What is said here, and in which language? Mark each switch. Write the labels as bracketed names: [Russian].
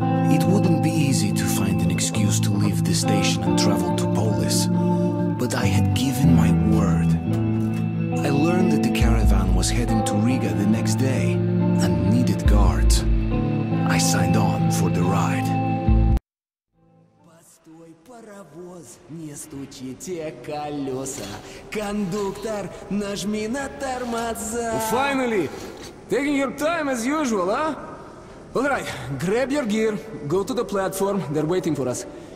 [English] It wouldn't be easy to find an excuse to leave the station and travel to Polis, but I had given my word. I learned that the caravan was heading to Riga the next day and needed guards. I signed on for the ride. [Russian] Паровоз, не стучите колеса. Кондуктор, нажми на тормоза. [English] Finally! Taking your time as usual, huh? Alright, grab your gear, go to the platform, they're waiting for us.